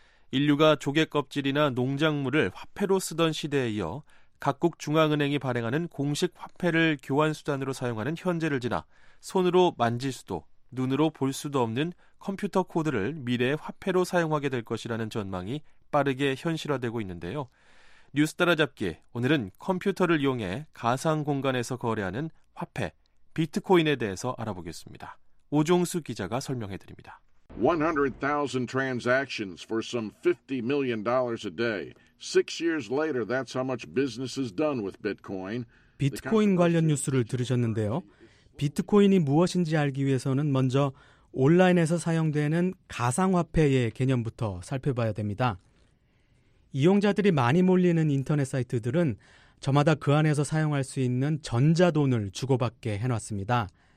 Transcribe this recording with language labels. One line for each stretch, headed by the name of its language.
Korean: 인류가 조개껍질이나 농작물을 화폐로 쓰던 시대에 이어 각국 중앙은행이 발행하는 공식 화폐를 교환수단으로 사용하는 현재를 지나 손으로 만질 수도 눈으로 볼 수도 없는 컴퓨터 코드를 미래의 화폐로 사용하게 될 것이라는 전망이 빠르게 현실화되고 있는데요. 뉴스 따라잡기, 오늘은 컴퓨터를 이용해 가상 공간에서 거래하는 화폐, 비트코인에 대해서 알아보겠습니다. 오종수 기자가 설명해드립니다.
English: 100,000 transactions for some $50 million a day. Six years later, that's how much business is done with Bitcoin.
Korean: 비트코인 관련 뉴스를 들으셨는데요. 비트코인이 무엇인지 알기 위해서는 먼저 온라인에서 사용되는 가상화폐의 개념부터 살펴봐야 됩니다. 이용자들이 많이 몰리는 인터넷 사이트들은 저마다 그 안에서 사용할 수 있는 전자돈을 주고받게 해놨습니다.